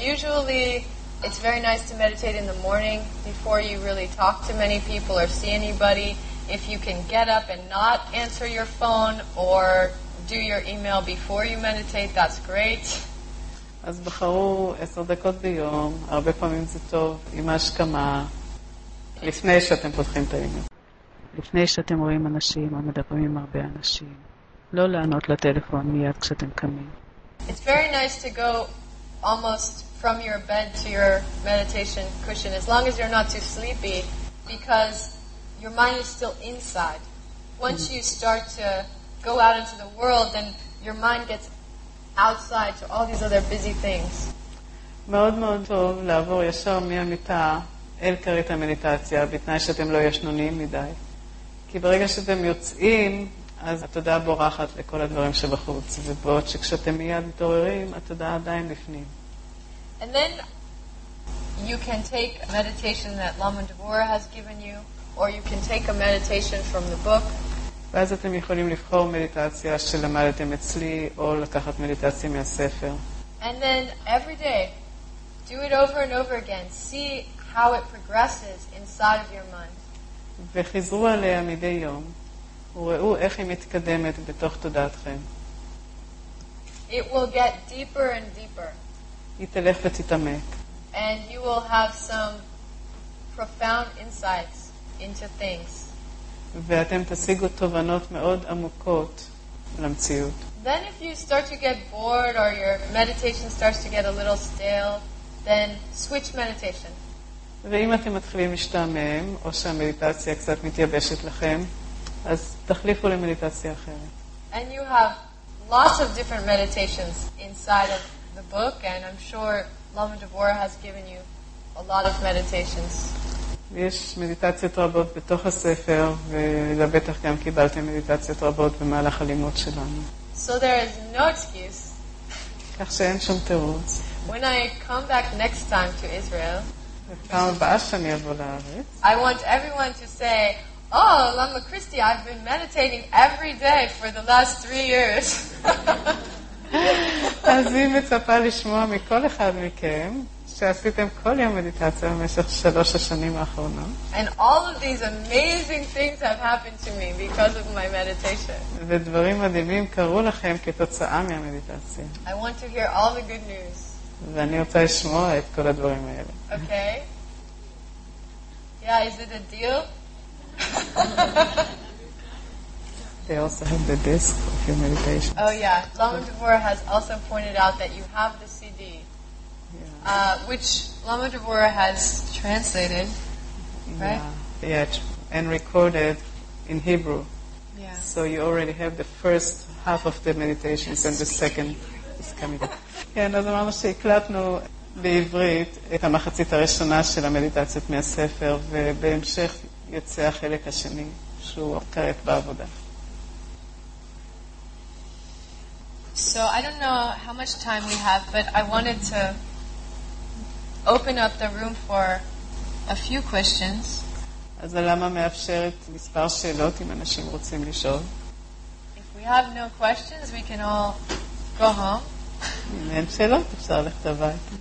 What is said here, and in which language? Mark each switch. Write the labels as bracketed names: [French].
[English] Usually, it's very nice to meditate in the morning before you really talk to many people or see anybody. If you can get up and not answer your phone or do your email before you meditate, that's great. [Hebrew] אז בחרו 10 דקות ביום, הרבה פעמים זה טוב, עם השכמה, לפני שאתם פותחים את האימייל. לפני שאתם רואים אנשים או מדברים עם הרבה אנשים, לא לענות לטלפון מיד כשאתם קמים. [English] It's very nice to go almost from your bed to your meditation cushion, as long as you're not too sleepy, because your mind is still inside. Once you start to go out into the world, then your mind gets outside to all these other busy things. [Hebrew] מאוד מאוד טוב לעבור ישר מהמיטה אל כרית המדיטציה, בתנאי שאתם לא ישנוניים מדי. כי ברגע שאתם יוצאים, אז התודעה בורחת לכל הדברים שבחוץ, ובעוד שכשאתם מיד מתעוררים, התודעה עדיין בפנים. [English] And then you can take a meditation that Lama Devora has given you, or you can take a meditation from the book. [Hebrew] ואז אתם יכולים לבחור מדיטציה שלמדתם אצלי, או לקחת מדיטציה מהספר. [English] And then every day, do it over and over again. See how it progresses inside of your mind. [Hebrew] וחזרו עליה מדי יום, וראו איך היא מתקדמת בתוך תודעתכם. [English] It will get deeper and deeper. [Hebrew] היא תלך ותתעמק. [English] And you will have some profound insights into things. [Hebrew] ואתם תשיגו תובנות מאוד עמוקות למציאות. [English] Then if you start to get bored or your meditation starts to get a little stale, then switch meditation. [Hebrew] ואם אתם מתחילים להשתעמם או שהמדיטציה קצת מתייבשת לכם, אז תחליפו למדיטציה אחרת. [English] And you have lots of different meditations inside of the book, and I'm sure Lama Devora has given you a lot of meditations. [Hebrew] יש מדיטציות רבות בתוך הספר, ולבטח גם קיבלתם מדיטציות רבות במהלך הלימוד שלנו. [English] So there is no excuse. [Hebrew] כך שאין שום תירוץ. [English] When I come back next time to Israel, [Hebrew] בפעם הבאה שאני אבוא לארץ, [English] I want everyone to say, "Oh, Lama Christy, I've been meditating every day for the last 3 years." [Hebrew] אז היא מצפה לשמוע מכל אחד מכם שעשיתם כל יום מדיטציה במשך 3 השנים האחרונות. [English] And all of these amazing things have happened to me because of my meditation. [Hebrew] ודברים מדהימים קרו לכם כתוצאה מהמדיטציה. [English] I want to hear all the good news. [Hebrew] ואני רוצה לשמוע את כל הדברים האלה. [English] Okay. Yes? Okay. Yeah, is it a deal? They also have the disc of your meditation. Oh yeah, Lama Devora has also pointed out that you have the CD, which Lama Devora has translated, right? Yeah, and recorded in Hebrew. Yeah. So you already have the first half of the meditations, yes, and the second is coming up. [Hebrew] כן, אז אמרנו שהקלטנו בעברית את המחצית הראשונה של המדיטציות מהספר, ובהמשך יוצא החלק השני, שהוא קראת בעבודה. [English] So I don't know how much time we have, but I wanted to open up the room for a few questions. [Hebrew] אז למה מאפשרת מספר שאלות אם אנשים רוצים לשאול? [English] If we have no questions, we can all go home. [Hebrew] אם אין שאלות, אפשר ללכת הבית.